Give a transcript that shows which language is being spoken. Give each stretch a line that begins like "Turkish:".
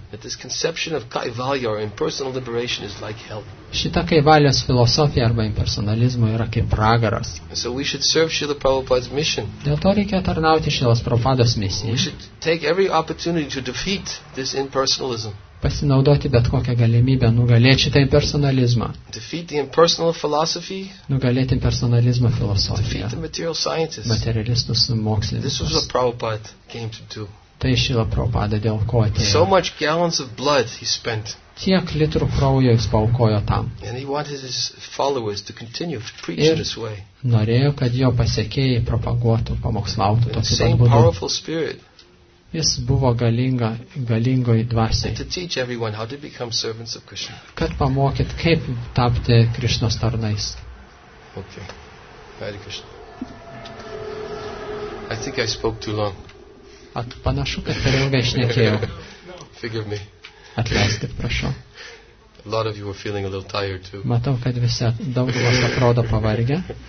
English: That this conception of kaivalya or impersonal liberation is like hell.
Lithuanian: Šita kaivalyos filosofija arba impersonalizmo yra kaip pragaras.
English: So we should serve Srila Prabhupada's mission.
Lithuanian: Dėl to reikia tarnauti Šilas Prabhupados misijai.
English: We should take every opportunity to defeat this impersonalism.
Lithuanian: Pasinaudoti bet kokią galimybę nugalėti šitą impersonalizmą.
English: Defeat the impersonal philosophy.
Lithuanian: Nugalėti impersonalizmo filosofiją.
English: Defeat the material scientists.
Lithuanian: Materialistus mokslininkus.
English: This was what Prabhupada came to do.
Lithuanian: Tai Šila Prabhupada dėl ko atėjo.
English: So much gallons of blood he spent.
Lithuanian: Tiek litrų kraujo jis paukojo tam.
English: And he wanted his followers to continue to preach in this way.
Lithuanian: Norėjo, kad jo pasekėjai propaguotų, pamokslautų tokiu pat būdu.
English: Powerful spirit.
Lithuanian: Jis buvo galinga, galingoj dvasiai.
English: To teach everyone how to become servants of Krishna.
Lithuanian: Kad pamokyt, kaip tapti Krishnos tarnais.
English: Okay. Hare Krishna. I think I spoke too long.
Lithuanian: At panašu, kad per ilgai šnekėjau.
English: Forgive me.
Lithuanian: Atleiskit, prašau.
English: A lot of you were feeling a little tired too.
Lithuanian: Matau, kad visi daugumas atrodo pavargę.